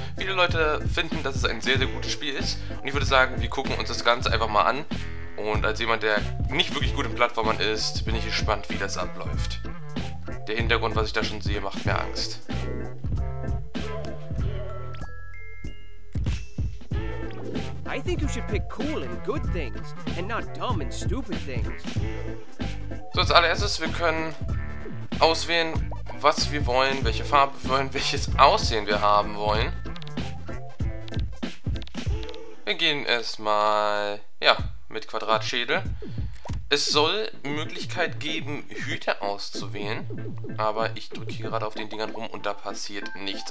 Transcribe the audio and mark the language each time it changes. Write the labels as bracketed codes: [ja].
[de] Viele Leute finden, dass es ein sehr, sehr gutes Spiel ist und ich würde sagen, wir gucken uns das Ganze einfach mal an. Und als jemand, der nicht wirklich gut in Plattformern ist, bin ich gespannt, wie das abläuft. Der Hintergrund, was ich da schon sehe, macht mir Angst. [en] I think you should pick cool and good things, and not dumb and stupid things. [de] So, als allererstes, wir können auswählen, was wir wollen, welche Farbe wir wollen, welches Aussehen wir haben wollen. Wir gehen erstmal, ja, mit Quadratschädel. Es soll Möglichkeit geben, Hüte auszuwählen, aber ich drücke hier gerade auf den Dingern rum und da passiert nichts.